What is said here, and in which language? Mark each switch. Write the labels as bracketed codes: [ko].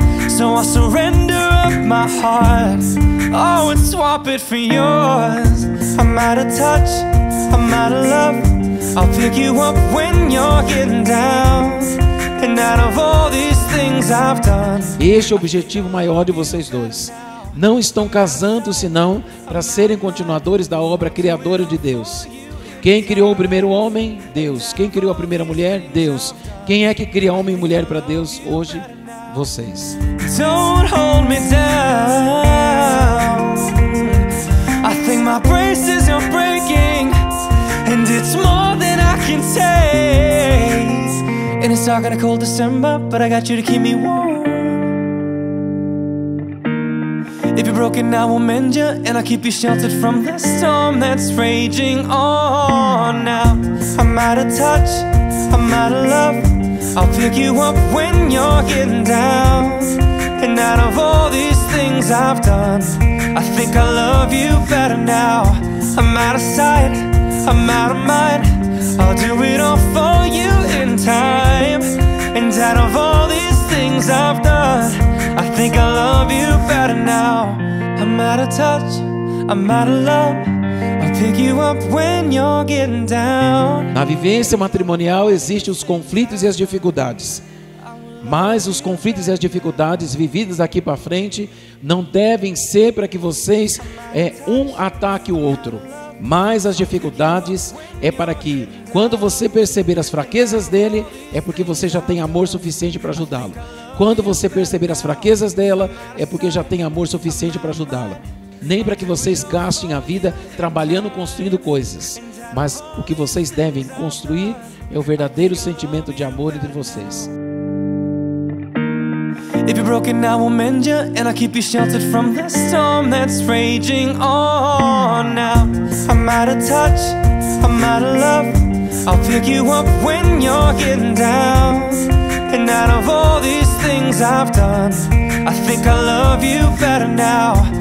[en] So I surrender up my heart. Oh, and swap it for yours. I'm out of touch, I'm out of love, I'll pick you up when you're getting down. And out of all these things I've done. [pt] Este é o objetivo maior de vocês dois. Não estão casando senão para serem continuadores da obra criadora de Deus. Quem criou o primeiro homem? Deus. Quem criou a primeira mulher? Deus. Quem é que cria homem e mulher para Deus hoje? Vocês. [en] Don't hold me down. I think my braces are breaking, and it's more than I can take. And it's not gonna cold December, but I got you to keep me warm. If you're broken, I will mend you, and I'll keep you sheltered from the storm that's raging on now. I'm out of touch, I'm out of love, I'll pick you up when you're getting down. And out of all these things I've done, I think I love you better now. I'm out of sight, I'm out of mind, I'll do it all for you in time. And out of all these things I've done, I think I love you better now. I'm out of touch, I'm out of love, I'll pick you up when you're getting down. [pt] Na vivência matrimonial existem os conflitos e as dificuldades. Mas os conflitos e as dificuldades vividas daqui para frente não devem ser para que vocês um ataque o outro. Mas as dificuldades é para que, quando você perceber as fraquezas dele, é porque você já tem amor suficiente para ajudá-lo. Quando você perceber as fraquezas dela, é porque já tem amor suficiente para ajudá-la. Nem para que vocês gastem a vida trabalhando, construindo coisas. Mas o que vocês devem construir é o verdadeiro sentimento de amor entre vocês. [en] If you're broken, I will mend you, and I'll keep you sheltered from the storm that's raging on now. I'm out of touch, I'm out of love, I'll pick you up when you're getting down. And out of all these things I've done, I think I love you better now.